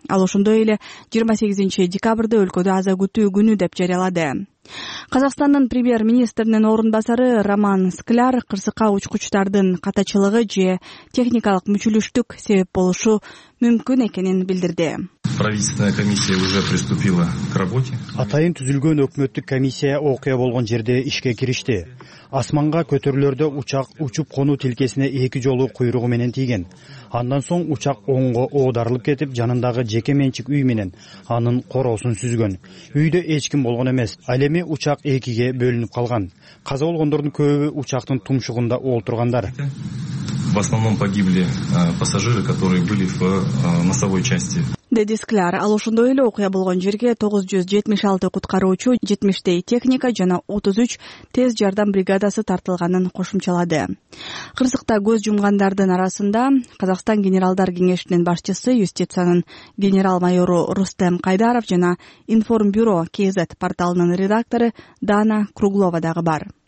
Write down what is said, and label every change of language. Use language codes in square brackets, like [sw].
[ky] Ал ошондой эле 28 декабрды өлкөдө аза күтүү күнү деп жарыялады. Казакстандын премьер-министринин орун басары Роман Скляр кырсыкка учкучтардын катачылыгы же техникалык мүчүлүштүк себеп болушу мүмкүн экенин билдирди. [ru] Правительственная комиссия уже приступила к работе. [ky] Атайын түзүлгөн өкмөттүк комиссия окуя болгон жерде ишке киришти. Асманга көтөрүлөрдө учак учуп конуу тилкесине 2 жолу куйругу менен тийген. Андан соң учак оңго оодарылып кетип, жанындагы жеке менчик үй менен анын короосун сүзгөн. Үйдө эч ким болгон эмес. Ал эми учак экиге бөлүнүп калган. Каза болгондордун көбү учактын тумшугунда олтургандар. [ru] в основном погибли пассажиры, которые были в носовой части. [ky] Деди Скляр, ал ошондой эле окуя болгон жерге 976 куткаруучу, 70 техника жана 33 тез жардам бригадасы тартылганын кошумчалады. Кырсыкта көз жумгандардын арасында Казакстан генералдар кеңешинин башчысы юстициянын генерал-майору Рустем Кайдаров жана Информбюро КЗ порталынын редактору Дана Круглова дагы бар.